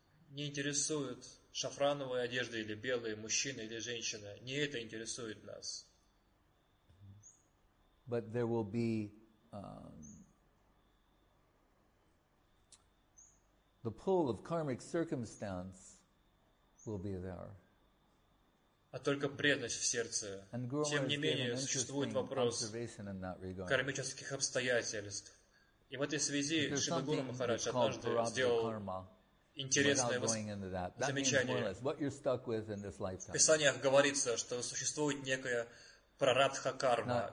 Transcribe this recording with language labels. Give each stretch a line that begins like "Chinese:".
Russian: Не интересует шафрановая одежда или белые, мужчина или женщина. Не это интересует нас.
English: But there will be, the pull of karmic circumstance will be there.
Russian: А только преданность в сердце. Тем не менее, существует вопрос кармических обстоятельств. И в этой связи Шрила Гуру Махарадж однажды сделал интересное замечание. В писаниях говорится, что существует некая прарабдха-карма.